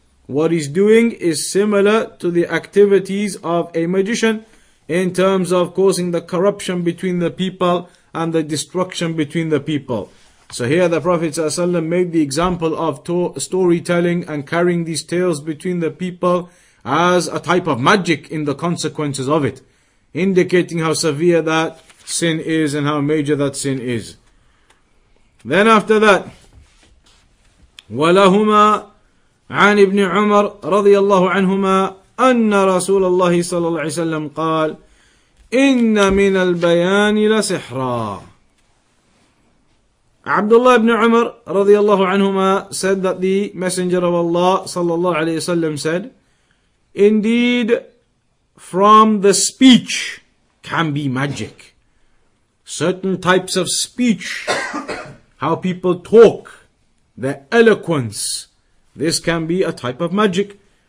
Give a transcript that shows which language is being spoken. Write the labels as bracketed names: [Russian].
[English] What he's doing is similar to the activities of a magician in terms of causing the corruption between the people and the destruction between the people. So here the Prophet ﷺ made the example of storytelling and carrying these tales between the people as a type of magic in the consequences of it, indicating how severe that sin is and how major that sin is. Then after that, [Arabic] ولهما عن ابن عمر رضي الله عنهما أن رسول الله صلى الله عليه وسلم قال إن من البيان لسحرا. [English] عبد الله بن عمر [Arabic] رضي الله عنهما [English] said that the messenger of Allah [Arabic] صلى الله عليه وسلم [English] said, indeed from the speech can be magic. Certain types of speech, how people talk, their eloquence, this can be a type of magic.